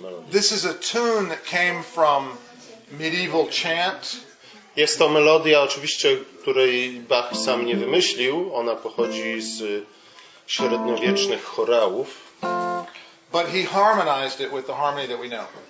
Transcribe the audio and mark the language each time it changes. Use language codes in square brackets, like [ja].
[en] This is a tune that came from medieval chant. [pl] Jest to melodia, oczywiście, której Bach sam nie wymyślił. Ona pochodzi z średniowiecznych chorałów. [en] But he harmonized it with the harmony that we know.